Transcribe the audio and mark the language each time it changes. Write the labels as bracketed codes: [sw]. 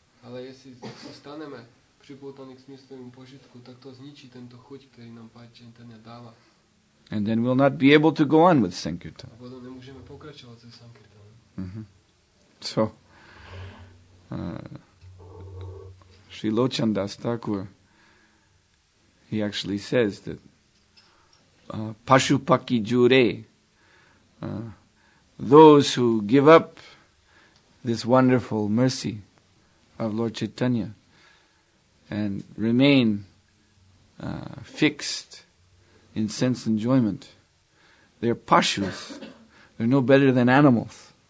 [cs] Ale jestli zůstaneme připoutaní k smyslovým požitku, tak to zničí tento chuť, který nám Pán Chaitanya dává. [en] And then we'll not be able to go on with Sankirtan. [cs] A potom nemůžeme pokračovat se Sankirtanem. [en] So, Sri Lochandas Thakur, he actually says that Pashupaki Jure, those who give up this wonderful mercy of Lord Chaitanya and remain fixed in sense enjoyment, they're Pashus, they're no better than animals.